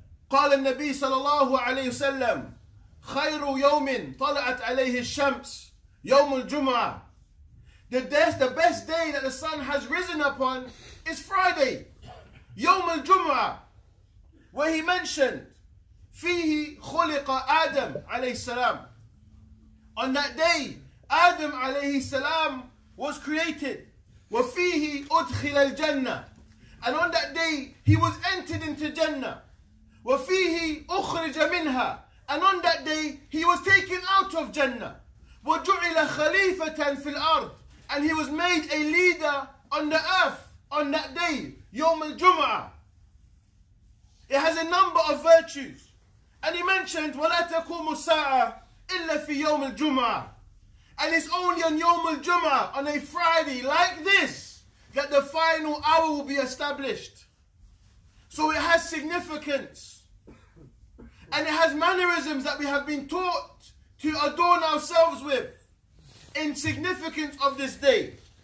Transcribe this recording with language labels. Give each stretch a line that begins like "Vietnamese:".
Arabic: قال النبي صلى الله عليه وسلم خير يوم طلعت عليه الشمس يوم الجمعة.
English: The best day that the sun has risen upon is Friday, يوم الجمعة, where he mentioned
Arabic: فيه خلق آدم عليه السلام.
English: On that day, Adam عليه السلام was created.
Arabic: وفيه أدخل الجنة.
English: And on that day, he was entered into Jannah.
Arabic: وَفِيهِ أُخْرِجَ مِنْهَا.
English: And on that day, he was taken out of Jannah.
Arabic: وَجُعِلَ خَلِيفَةً فِي الْأَرْضِ.
English: And he was made a leader on the earth on that day, يوم الجمعة. It has a number of virtues. And he mentioned,
Arabic: وَلَا تَكُومُ السَّاعَةَ إِلَّا فِي يَوْمِ الْجُمْعَةِ.
English: And it's only on يوم الجمعة, on a Friday like this, that the final hour will be established. So it has significance, and it has mannerisms that we have been taught to adorn ourselves with in significance of this day.